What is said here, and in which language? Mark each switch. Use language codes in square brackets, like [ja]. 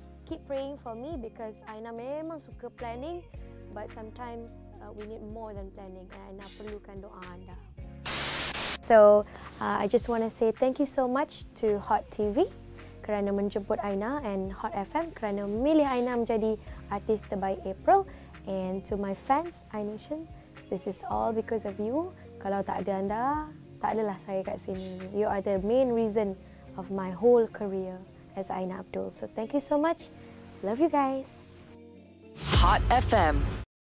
[en] Keep praying for me because Aina [ms] memang suka [en] planning, but sometimes we need more than planning and Aina [ms] perlukan doa anda. [en] So, I just want to say thank you so much to Hot TV [ms] kerana menjemput Aina [en] and Hot FM [ms] kerana memilih Aina menjadi artis terbaik April. [en] And to my fans, iNation, this is all because of you. [ms] Kalau tak ada anda, tak adalah saya kat sini. [en] You are the main reason of my whole career as Aina Abdul. So, thank you so much. Love you guys. Hot FM.